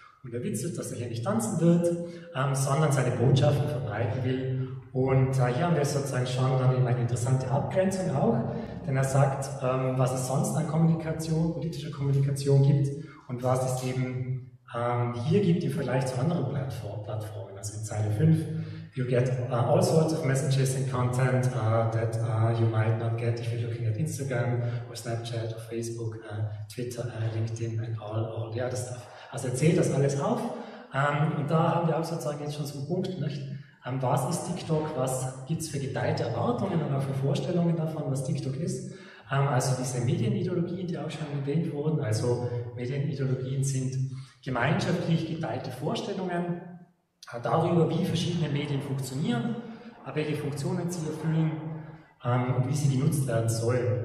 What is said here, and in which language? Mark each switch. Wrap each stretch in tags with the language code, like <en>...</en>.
<de>Und der Witz ist, dass er hier nicht tanzen wird, sondern seine Botschaften verbreiten will. Und hier haben wir sozusagen schon dann eben eine interessante Abgrenzung auch, denn er sagt, was es sonst an Kommunikation, politischer Kommunikation gibt und was es eben hier gibt im Vergleich zu anderen Plattformen. Also in Zeile 5,</de> <en>you get all sorts of messages and content that you might not get if you're looking at Instagram or Snapchat or Facebook, Twitter, LinkedIn and all the other stuff.</en> <de>Also er zählt das alles auf. Und da haben wir auch sozusagen jetzt schon so einen Punkt, nicht? Was ist TikTok, was gibt es für geteilte Erwartungen und auch für Vorstellungen davon, was TikTok ist. Also diese Medienideologien, die auch schon erwähnt wurden, also Medienideologien sind gemeinschaftlich geteilte Vorstellungen darüber, wie verschiedene Medien funktionieren, welche Funktionen sie erfüllen und wie sie genutzt werden sollen.</de>